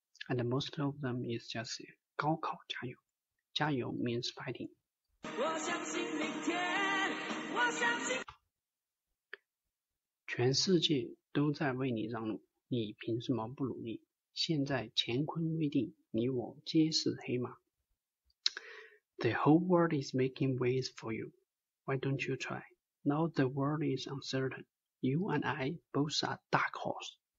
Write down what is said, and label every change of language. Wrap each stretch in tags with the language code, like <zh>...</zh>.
<en>And most of them is just</en> <zh>高考加油，加油</zh> <en>means fighting.</en> <zh>我相信明天，我相信全世界都在为你让路，你凭什么不努力？现在乾坤未定，你我皆是黑马。</zh> <en>The whole world is making ways for you. Why don't you try? Now the world is uncertain. You and I both are dark horse.</en>